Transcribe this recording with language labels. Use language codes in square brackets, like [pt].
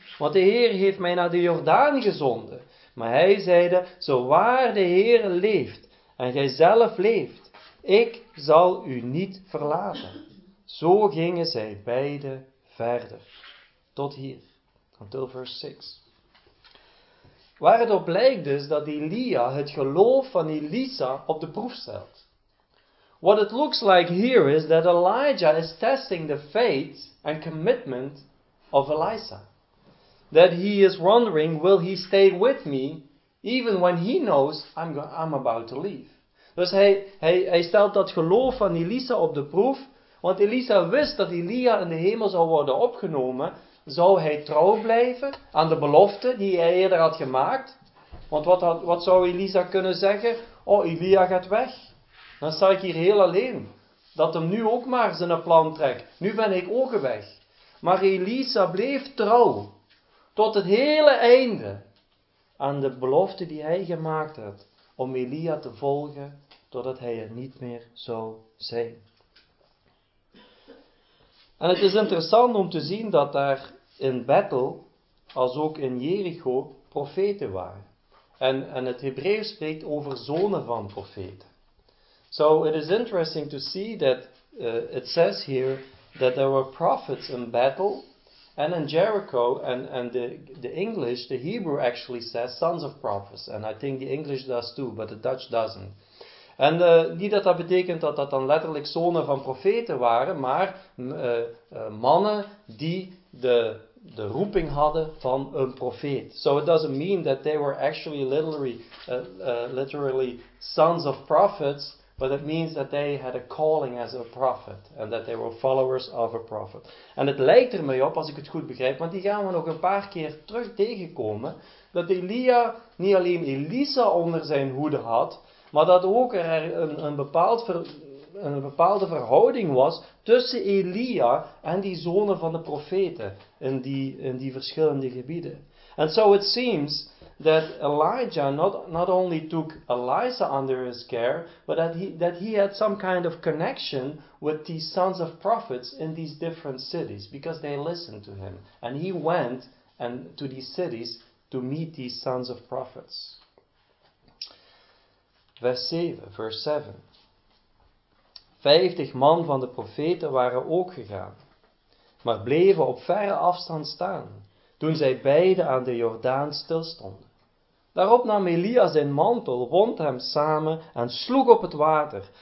[nl] Want de Heer heeft mij naar de Jordaan gezonden. Maar hij zeide, zo waar de Heer leeft en gij zelf leeft, ik zal u niet verlaten. Zo gingen zij beide verder. Tot hier. [en] Until [nl] vers 6. Waardoor blijkt dus dat Elia het geloof van Elisa op de proef stelt. [en] What it looks like here is that Elijah is testing the faith and commitment of Elisa. That he is wondering, will he stay with me, even when he knows I'm about to leave. [nl] Dus hij stelt dat geloof van Elisa op de proef, want Elisa wist dat Elia in de hemel zou worden opgenomen, zou hij trouw blijven aan de belofte die hij eerder had gemaakt. Want wat zou Elisa kunnen zeggen? Oh, Elia gaat weg. Dan sta ik hier heel alleen. Dat hem nu ook maar zijn plan trekt. Nu ben ik ook weg. Maar Elisa bleef trouw. Tot het hele einde aan de belofte die hij gemaakt had om Elia te volgen totdat hij er niet meer zou zijn. En het is interessant om te zien dat daar in Bethel, als ook in Jericho, profeten waren. En het Hebreeuws spreekt over zonen van profeten. [en] So it is interesting to see that it says here that there were prophets in Bethel, and in Jericho, and the English, the Hebrew actually says sons of prophets. And I think the English does too, but the Dutch doesn't. [nl] En niet dat dat betekent dat dat dan letterlijk zonen van profeten waren, maar mannen die de roeping hadden van een profeet. [en] So it doesn't mean that they were actually literally sons of prophets, but it means that they had a calling as a prophet. And that they were followers of a prophet. [nl] En het lijkt er mij op, als ik het goed begrijp, want die gaan we nog een paar keer terug tegenkomen. Dat Elia niet alleen Elisa onder zijn hoede had, maar dat ook er een bepaalde verhouding was tussen Elia en die zonen van de profeten. In die verschillende gebieden. [en] And so it seems that Elijah not only took Elisa under his care, but that he had some kind of connection with these sons of prophets in these different cities, because they listened to him. And he went and to these cities to meet these sons of prophets. [nl] Vers 7. 50 man van de profeten waren ook gegaan, maar bleven op verre afstand staan, toen zij beide aan de Jordaan stilstonden. Daarop nam Elia zijn mantel, wond hem samen en sloeg op het water.